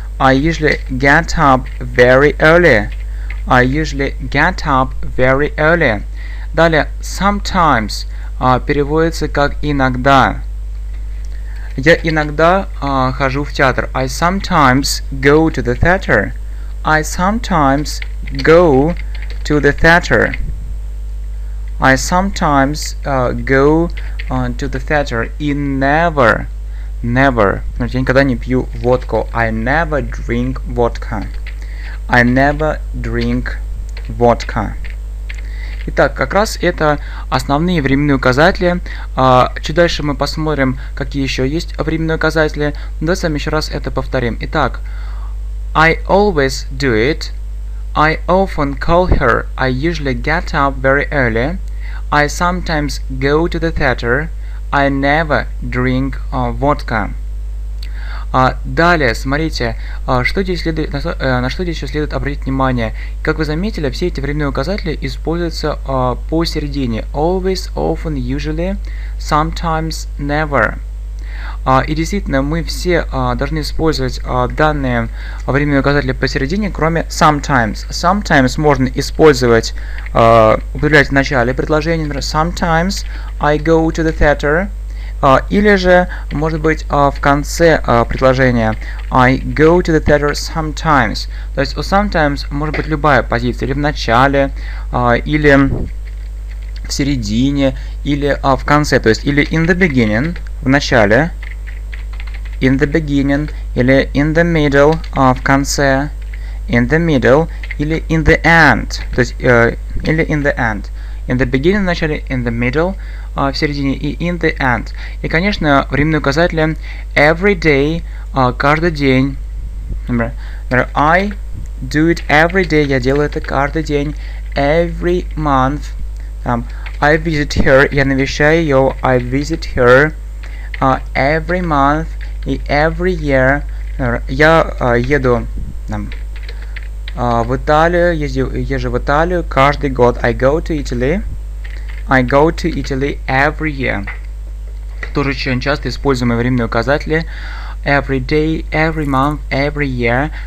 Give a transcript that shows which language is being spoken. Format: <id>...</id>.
<en>I usually get up very early. I usually get up very early.</en> <ru>Далее, sometimes. Переводится как «иногда». Я иногда хожу в театр.</ru> <en>I sometimes go to the theater. I sometimes go to the theater. I sometimes go to the theater.</en> <ru>И</ru> <en>never, never.</en> <ru>Я никогда не пью водку.</ru> <en>I never drink vodka. I never drink vodka.</en> <ru>Итак, как раз это основные временные указатели. Чуть дальше мы посмотрим, какие еще есть временные указатели. Давайте с вами еще раз это повторим.</ru> <en>Итак, I always do it. I often call her. I usually get up very early. I sometimes go to the theater. I never drink vodka.</en> <ru>Далее, смотрите, что здесь следует, на что здесь еще следует обратить внимание. Как вы заметили, все эти временные указатели используются посередине. Always, often, usually, sometimes, never. И действительно, мы все должны использовать данные временные указатели посередине, кроме sometimes. Sometimes можно использовать, употреблять в начале предложения, например,</ru> <en>sometimes I go to the theater.</en> <ru>Или же, может быть, в конце предложения</ru> <en>I go to the theater sometimes.</en> <ru>То есть у sometimes может быть любая позиция. Или в начале, или в середине, или в конце. То есть или</ru> <en>in the beginning,</en> <ru>в начале.</ru> <en>In the beginning, или in the middle,</en> <ru>в конце.</ru> <en>In the middle, или in the end.</en> <ru>То есть, или</ru> <en>in the end. In the beginning,</en> <ru>в начале,</ru> <en>in the middle,</en> <ru>в середине,</ru> <en>и in the end.</en> <ru>И, конечно, временные указатели</ru> <en>every day,</en> <ru>каждый день. Например,</ru> <en>I do it every day,</en> <ru>я делаю это каждый день.</ru> <en>Every month, I visit her,</en> <ru>я навещаю ее,</ru> <en>I visit her. Every month</en> <ru>и</ru> <en>every year,</en> <ru>я еду в Италию, езжу в Италию каждый год.</ru> <en>I go to Italy. I go to Italy every year.</en> <ru>Тоже очень часто используемые временные указатели.</ru> <en>Every day, every month, every year.</en>